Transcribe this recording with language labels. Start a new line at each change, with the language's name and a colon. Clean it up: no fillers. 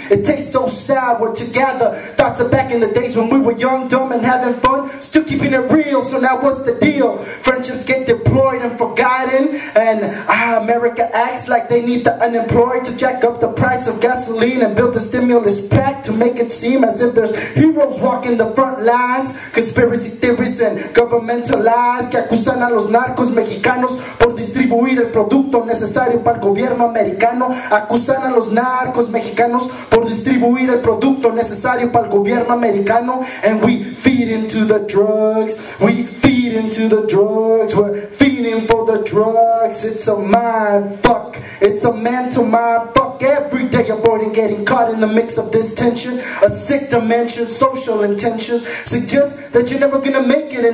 English: It tastes so sour. We're together, thoughts are back in the days when we were young, dumb and having fun, still keeping it real. So now what's the deal? Friendships get deployed and forgotten, and America acts like they need the unemployed to jack up the price of gasoline and build a stimulus pack to make it seem as if there's heroes walking the front lines. Conspiracy theories and governmental lies
Spanish: que acusan a los narcos mexicanos por distribuir el producto necesario para el gobierno americano. Acusan a los narcos mexicanos por distribuir el producto necesario para el gobierno americano.
English: And we feed into the drugs. We feed into the drugs. We're feeding for the drugs. It's a mind fuck. It's a mental mind fuck. Every day avoiding getting caught in the mix of this tension. A sick dimension. Social intentions suggest that you're never gonna make it.